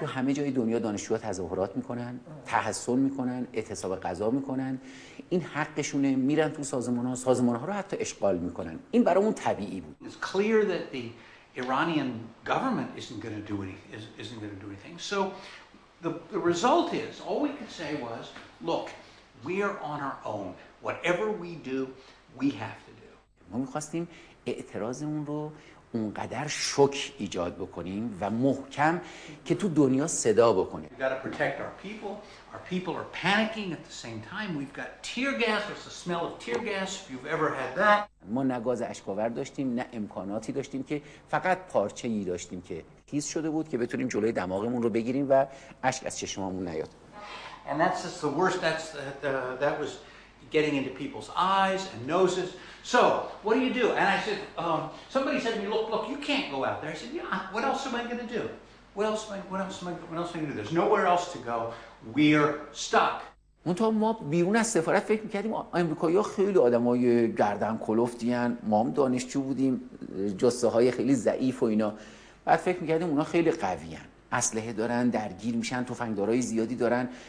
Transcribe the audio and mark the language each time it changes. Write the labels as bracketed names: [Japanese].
[Persian] تو همه جای دنیا دانشجوها تظاهرات میکنن، تحصن میکنن، اعتصاب غذا میکنن. این حقشونه، میرن تو سازمانها، سازمانها رو حتی اشغال میکنن. این برامون طبیعی بود. [English] It's clear that the Iranian government isn't going to do anything. So the result is, all we could say was, look, we are on our own. Whatever we do, we have to do. [Persian] ما میخواستیم اعتراضمون رو اونقدر شوک ایجاد بکنیم و محکم که تو دنیا صدا بکنه. [English] We've got to protect our people. Our people are panicking at the same time. We've got tear gas. It's the smell of tear gas, if you've ever had that. [Persian] ما نه گاز اشک‌آور داشتیم، نه امکاناتی داشتیم، که فقط پارچه‌ای داشتیم که تیز شده بود که بتونیم جلوی دماغمون رو بگیریم و اشک از چشممون نیاد. [English] And that's just the worst. That was getting into people's eyes and noses. So, what do you do? And I said, somebody said to me, look, you can't go out there. I said, yeah, what else am I going to do? There's nowhere else to go. We're stuck. [Persian] منتها ما بیرون از سفارت فکر میکردیم امریکایی‌ها خیلی آدم های گردن کلفتی‌ان، ما هم دانشجو بودیم، جثه های خیلی ضعیف و اینا. بعد فکر میکردیم اونا خیلی قوی‌ان، اسلحه دارن، درگیر میشن، تفنگدارای زیادی دارن.